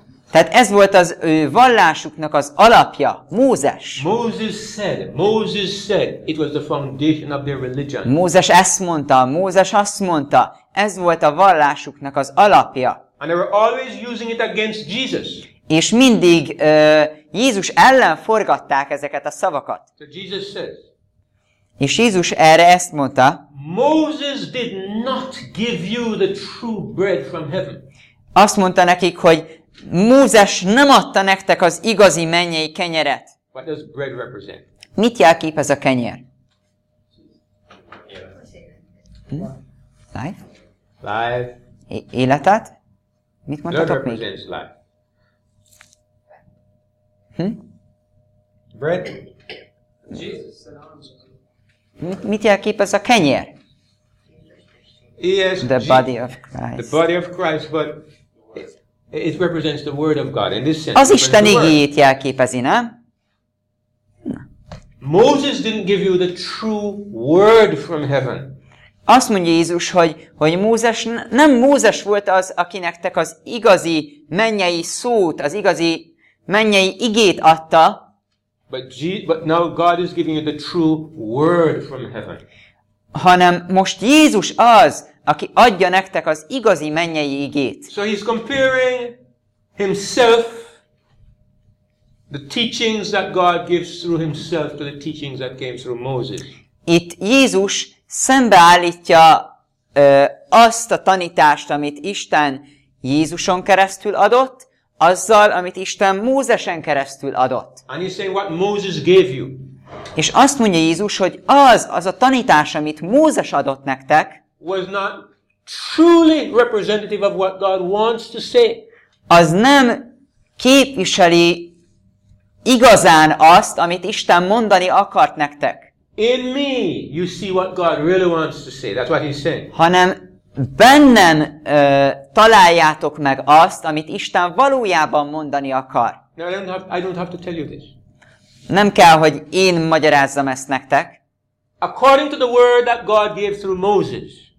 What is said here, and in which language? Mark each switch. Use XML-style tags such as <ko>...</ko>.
<hu>Tehát ez volt az ő vallásuknak az alapja, Mózes.</hu> <en>Moses said, it was the foundation of their religion.</en> <hu>Mózes azt mondta, ez volt a vallásuknak az alapja.</hu> <en>And they were always using it against Jesus.</en> <hu>És mindig Jézus ellen forgatták ezeket a szavakat.</hu> <en>So Jesus says.</en> <hu>És Jézus erre ezt mondta.</hu> <en>Moses did not give you the true bread from heaven.</en> <hu>Azt mondta nekik, hogy Mózes nem adta nektek az igazi mennyei kenyeret.</hu> <en>What does bread represent?</en> <hu>Mit jelkép ez a kenyér?</hu> <en>Life? Life.</en> <hu>Életet? Mit mondtatok még?</hu> <en>Bread represents life. Bread?</en> <hu>Jesus. Mit jelkép ez a kenyér?</hu> <en>Yes, the body of Christ. The body of Christ, but it represents the word of God in this sense.</en> <hu>Az Isten igéjét jelképezi, nem?</hu> <en>Moses didn't give you the true word from heaven.</en> <hu>Azt mondja Jézus, hogy Mózes nem Mózes volt az, akinek te az igazi mennyei szót, az igazi mennyei igét adta.</hu> <en>But now God is giving you the true word from heaven.</en> <hu>Hanem most Jézus az, aki adja nektek az igazi mennyei igét.</hu> <en>So he's comparing himself, the teachings that God gives through himself, to the teachings that came through Moses.</en> <hu>Itt Jézus szembeállítja azt a tanítást, amit Isten Jézuson keresztül adott, azzal, amit Isten Mózesen keresztül adott.</hu> <en>And he's saying what Moses gave you.</en> <hu>És azt mondja Jézus, hogy az a tanítás, amit Mózes adott nektek,</hu> <en>was not truly representative of what God wants to say.</en> <hu>Az nem képviseli igazán azt, amit Isten mondani akart nektek.</hu> <en>In me you see what God really wants to say. That's what he's saying.</en> <hu>Hanem bennem találjátok meg azt, amit Isten valójában mondani akar.</hu> <en>No, I don't have to tell you this.</en> <hu>Nem kell, hogy én magyarázzam ezt nektek.</hu> <en>According to the word that God gave through Moses.</en>